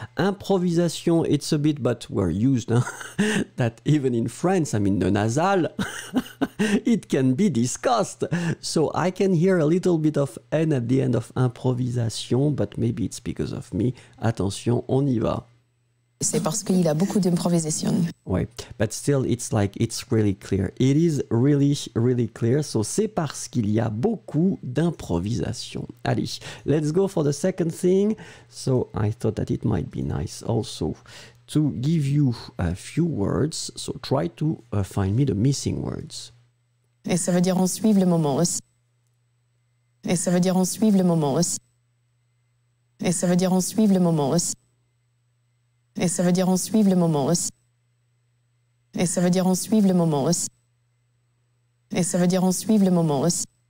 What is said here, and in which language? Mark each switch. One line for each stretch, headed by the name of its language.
English: Improvisation, it's a bit, but we're used that even in France, the nasal, it can be discussed. So I can hear a little bit of N at the end of improvisation, but maybe it's because of me.
French: Attention, on y va. C'est parce qu'il a beaucoup d'improvisation.
English: Oui, but still, it's like, it's really clear. It is really, really clear.
French: So, c'est parce qu'il y a beaucoup d'improvisation.
English: Allez, let's go for the second thing. So, I thought that it might be nice also to give you a few words. So, try to find me the missing words.
French: Et ça veut dire on suit le moment aussi. Et ça veut dire on suit le moment aussi. Et ça veut dire on suit le moment aussi. Et ça veut dire on suit le moment aussi. Et ça veut dire on suit le moment aussi. Et ça veut dire on suit le moment aussi.